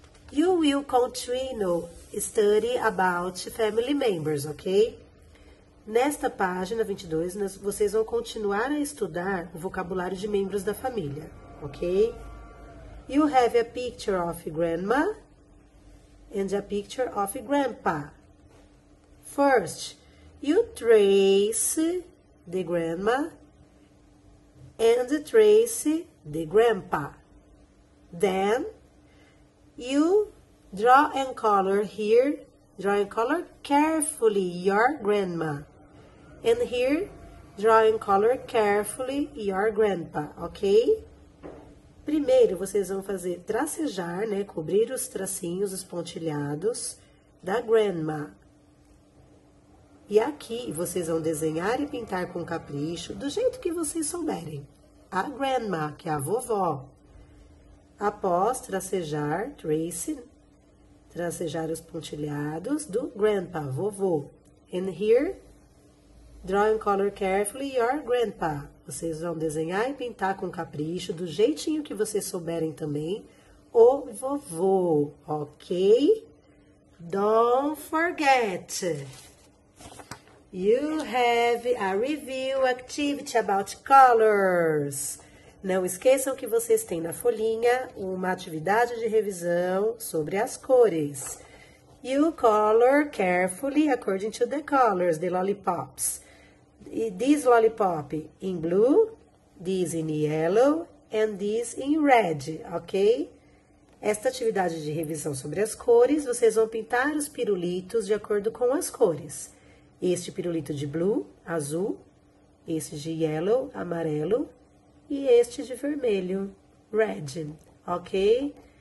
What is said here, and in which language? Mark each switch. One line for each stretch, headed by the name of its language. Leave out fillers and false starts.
English: You will continue study about family members, ok?
Portuguese: Nesta página 22, vocês vão continuar a estudar o vocabulário de membros da família, ok?
English: You have a picture of grandma and a picture of grandpa. First, you trace the grandma and trace the grandpa. Then, you draw and color here. Draw and color carefully your grandma. And here, draw and color carefully your grandpa, ok?
Portuguese: Primeiro, vocês vão fazer tracejar, né? Cobrir os tracinhos, os pontilhados da grandma. E aqui, vocês vão desenhar e pintar com capricho, do jeito que vocês souberem. A grandma, que é a vovó. Após tracejar, tracing. Tracejar os pontilhados do grandpa, vovô.
English: And here, draw and color carefully your grandpa.
Portuguese: Vocês vão desenhar e pintar com capricho, do jeitinho que vocês souberem também, o vovô, ok?
English: Don't forget. You have a review activity about colors.
Portuguese: Não esqueçam que vocês têm na folhinha uma atividade de revisão sobre as cores.
English: You color carefully according to the colors, the lollipops. This lollipop in blue, this in yellow and this in red, ok?
Portuguese: Esta atividade de revisão sobre as cores, vocês vão pintar os pirulitos de acordo com as cores. Este pirulito de blue, azul, este de yellow, amarelo. E este de vermelho, red, ok?